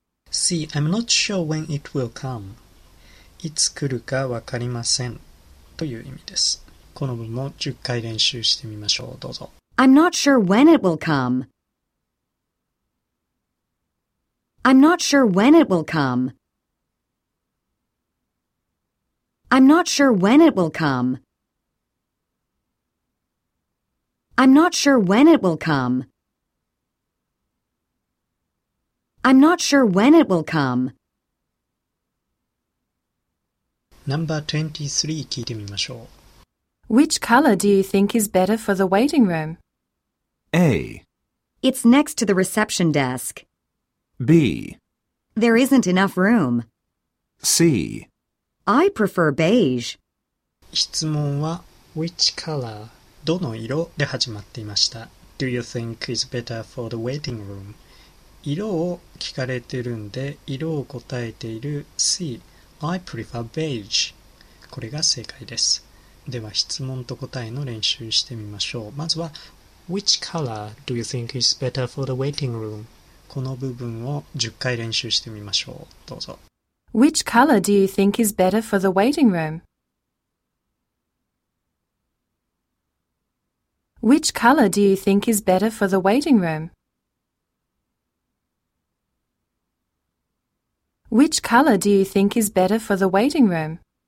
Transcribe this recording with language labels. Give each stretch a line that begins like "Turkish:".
English: See, I'm not sure when it will come.
Japanese: いつ来るかわかりませんという意味です。この部分も10回練習してみましょう。どうぞ。
English: I'm not sure when it will come. I'm not sure when it will come. I'm not sure when it will come. I'm not sure when it will come. I'm not sure when it will come.
Japanese: Number 23聞いてみましょう。
English: Which color do you think is better for the waiting room? A. It's next to the reception desk. B. There isn't enough room. C. I prefer beige.
Japanese: 質問は
English: Which color?
Japanese: どの色で始まっていました。
English: Do you think is better for the waiting room?
Japanese: 色を聞かれているんで、色を答えている C.
English: I prefer beige.
Japanese: これが正解です。では質問と答えの練習してみましょう。まずは
English: Which color do you think is better for the waiting room?
Japanese: この部分を10回練習してみましょう。どうぞ。
English: Which color do you think is better for the waiting room? Which color do you think is better for the waiting room? Which color do you think is better for the waiting room?